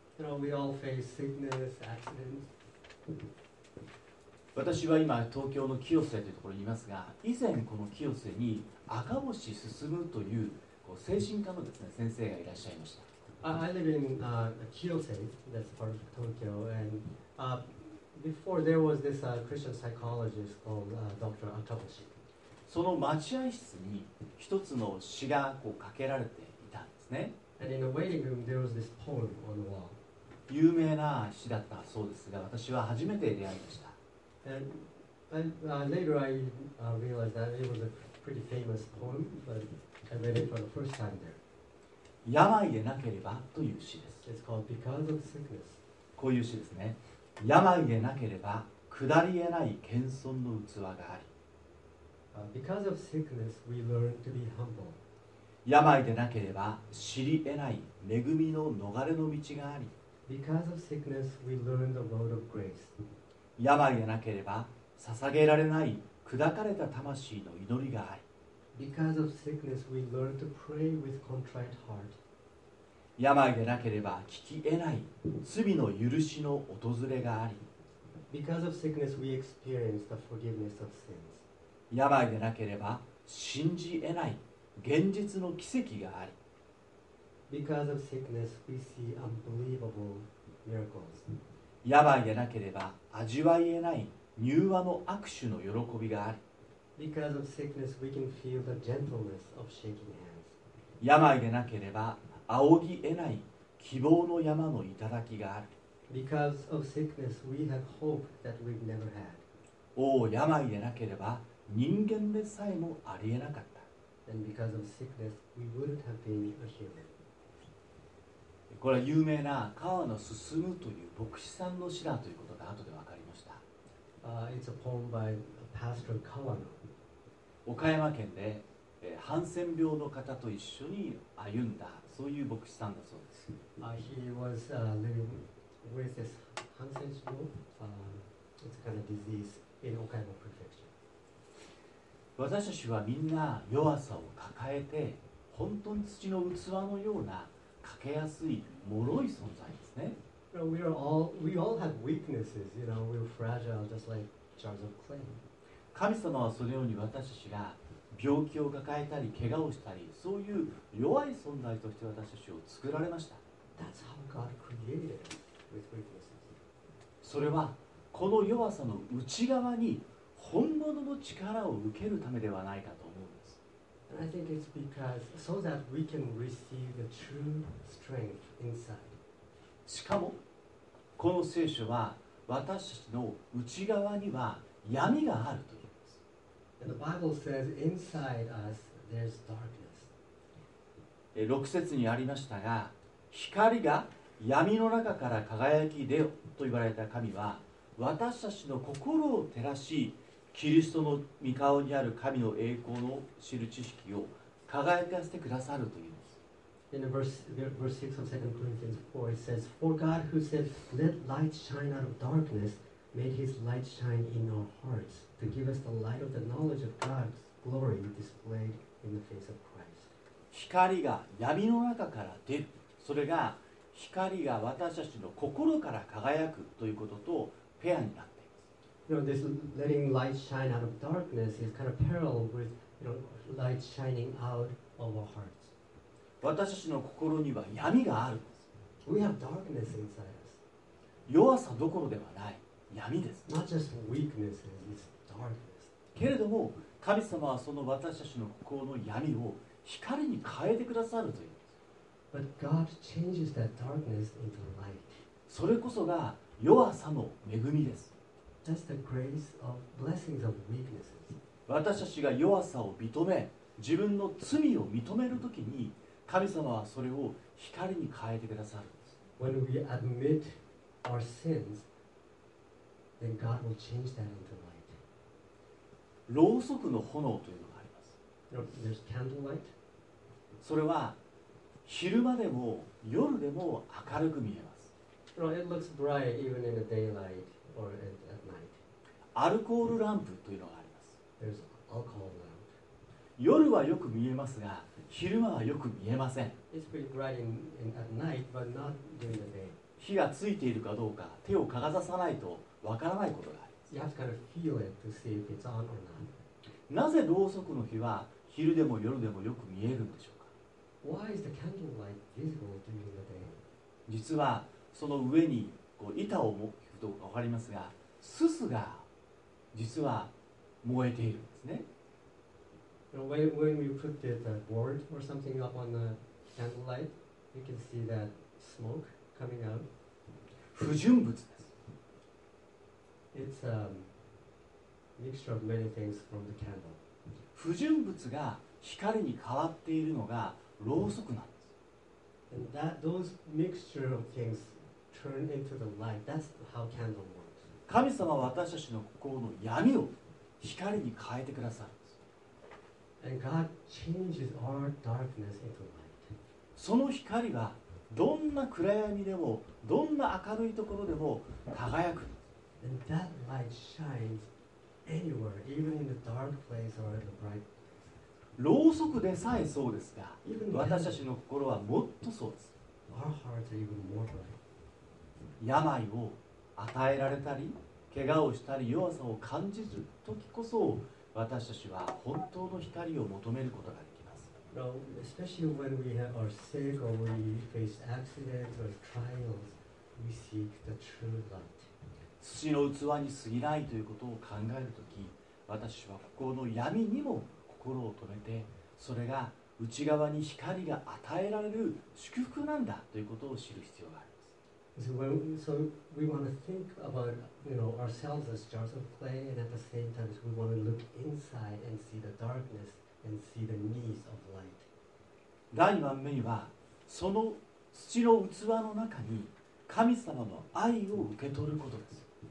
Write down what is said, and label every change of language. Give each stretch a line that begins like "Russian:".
English: You know, we all face sickness, accidents.
Japanese: 私は今、東京の清瀬というところにいますが、以前この清瀬に赤星進むとい こう精神科のです、ね、先生がいらっしゃいました。
English: I live in Kiyose, that's part of Tokyo, and Before there was this Christian psychologist called Dr. Akaboshi.
Japanese: その待合室に一つの詩がこうかけられていたんですね。
English: And in the waiting room there was this poem on the wall.
Japanese: 有名な詩だったそうですが、私は初めて出会いました。
English: And later I realized that it was a pretty famous poem, but I read it for the first time there.
Japanese: 病でなければという詩です。
English: It's called Because of Sickness.
Japanese: こういう詩ですね。病でなければ、くだりえない謙遜の器があり。
English: Because of sickness, we learn to be humble.
Japanese: 病でなければ知りえない恵みの逃れの道があり。
English: Because of sickness, we learn the road of grace.
Japanese: 病でなければ捧げられない砕かれた魂の祈りがあり。
English: Because of sickness, we learn to pray with contrite heart.
Japanese: 病でなければ聞き得ない罪の許しの訪れがあり。
English: Because of sickness, we experience the forgiveness of sins.
Japanese: 病でなければ信じ得ない現実の奇跡があり。
English: Because of sickness, we see unbelievable miracles.
Japanese: 病でなければ味わい得ない柔和の握手の喜びがあり。
English: Because of sickness, we can feel the gentleness of shaking hands.
Japanese: 病でなければ仰ぎ得ない希望の山の頂がある。
English: Because of sickness, we have hope that we've never had.
Japanese: 病でなければ人間でさえもありえなかった。
English: And because of sickness, we wouldn't have been a human.
Japanese: これは有名な川の進むという牧師さんの詩だということが後で分かりました。
English: It's a poem by Pastor Kawano.
Japanese: 岡山県で、ハンセン病の方と一緒に歩んだそういう牧師さんだそうです。
English: He was living with this Hansen's group. It's kind of disease in Okayama Prefecture.
Japanese: 私たちはみんな弱さを抱えて、本当に土の器のような欠けやすい脆い存在ですね。
English: We all have weaknesses, you know, we're fragile just like jars of clay.
Japanese: 神様はそのように私たちが病気を抱えたり怪我をしたり、そういう弱い存在として私たちを作られました。
English: That's how God created us with weaknesses.
Japanese: それはこの弱さの内側に本物の力を受けるためではないかと思うんです。
English: And I think it's because so that we can receive the true strength inside.
Japanese: しかもこの聖書は私たちの内側には闇があると言います。
English: And the Bible says inside us there's darkness.
Japanese: 6節にありましたが、光が闇の中から輝き出よと言われた神は、私たちの心を照らし、キリストの御顔にある神の栄光を知る知識を輝かせてくださると言います。
English: In verse 6 of 2 Corinthians 4, it says, For God who said, Let light shine out of darkness, made his light shine in our hearts, to give us the light of the knowledge of God's glory displayed in the face of Christ.
Japanese: 光が闇の中から出る。それが光が私たちの心から輝くということとペアになっています。
English: You know, this letting light shine out of darkness is kind of parallel with, you know, light shining out of our hearts.
Japanese: 私たちの心には闇があるんです。
English: We have darkness inside us.
Japanese: 弱さどころではない闇です。
English: Not just weakness, it's darkness.
Japanese: けれども神様はその私たちの心の闇を光に変えてくださるというんです。
English: But God changes that darkness into light.
Japanese: それこそが弱さの恵みです。
English: That's the grace of blessings of weaknesses.
Japanese: 私たちが弱さを認め、自分の罪を認めるときに、神様はそれを光に変えてくださるんです。
English: When we admit our sins, then God will change that into light.
Japanese: ろうそくの炎というのがあります。
English: There's candlelight.
Japanese: それは昼間でも夜でも明るく見えます。
English: It looks bright even in the daylight or at night.
Japanese: アルコールランプというのがあります。
English: There's alcohol lamp.
Japanese: 夜はよく見えますが、昼間はよく見えません。
English: It's pretty bright in, at night, but not during the day.
Japanese: 火がついているかどうか手をかざさないとわからないことがあります。
English: You have to kind of feel it to see if it's on or not.
Japanese: なぜろうそくの火は昼でも夜でもよく見えるんでしょうか。
English: Why is the candlelight visible during the day?
Japanese: 実はその上にこう板を置くとわかりますが、すすが実は燃えているんですね。
English: When we put the board or something up on the candlelight, you can see that smoke coming out.
Japanese: 不純物です。
English: It's a mixture of many things from the candle.
Japanese: 不純物が光に変わっているのがろうそくなんです。
English: And that, those mixture of things turn into the light. That's how candle works.
Japanese: 神様は私たちの心の闇を光に変えてくださる。
English: And God changes our darkness into light.
Japanese: その光がどんな暗闇でもどんな明るいところでも輝く。
English: And that light shines anywhere, even in the dark place or the bright place.
Japanese: ろうそくでさえそうですが、私たちの心はもっとそうです。
English: Our hearts are even more bright.
Japanese: 病を与えられたり、怪我をしたり、弱さを感じるときこそ、私たちは本当の光を求めることができます。
English: Now, especially when we are sick or we face accidents or trials, we seek the true light.
Japanese: 土の器に過ぎないということを考えるとき、私は心の闇にも心を止めて、それが内側に光が与えられる祝福なんだということを知る必要があります。
English: So, so we want to think about, you know, ourselves as jars of clay, and at the same time, we want to look inside and see the darkness and see the needs of light.
Japanese: 第2番目には、その土の器の中に神様の愛を受け取ることです。